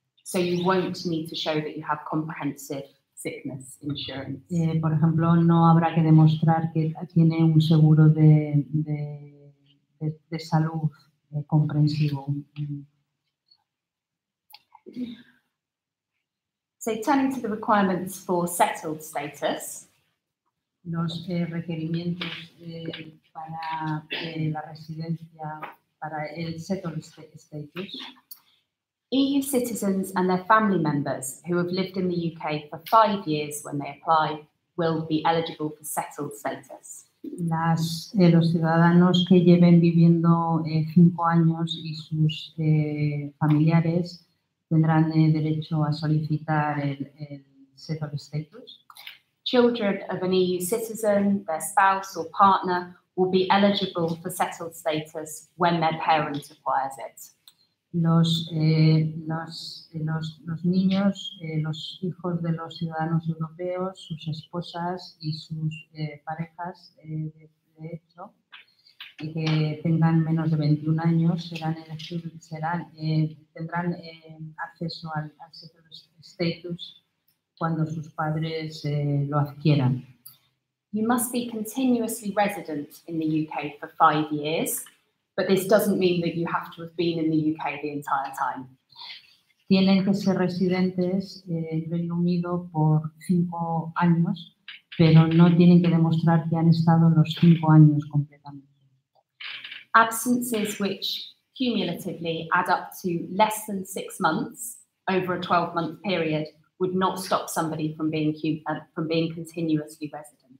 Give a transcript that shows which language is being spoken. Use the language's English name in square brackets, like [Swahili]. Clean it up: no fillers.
[English] So you won't need to show that you have comprehensive sickness insurance. [Spanish] Por ejemplo, no habrá que demostrar que tiene un seguro de salud comprensivo. [English] So turning to the requirements for settled status. [Spanish] Los requerimientos para la residencia, para el settled status. [English] EU citizens and their family members who have lived in the UK for 5 years when they apply will be eligible for settled status. [Spanish] Los ciudadanos que lleven viviendo 5 años y sus familiares tendrán derecho a solicitar el settled status. [English] Children of an EU citizen, their spouse or partner will be eligible for settled status when their parent acquires it. [Spanish] Los niños, los hijos de los ciudadanos europeos, sus esposas y sus parejas, de hecho, y que tengan menos de 21 años, tendrán acceso al settled status cuando sus padres lo adquieran. [English] You must be continuously resident in the UK for 5 years, but this doesn't mean that you have to have been in the UK the entire time. [Spanish] Tienen que ser residentes en Reino Unido por 5 años, pero no tienen que demostrar que han estado los 5 años completamente. [English] Absences which cumulatively add up to less than 6 months over a 12-month period would not stop somebody from being continuously resident.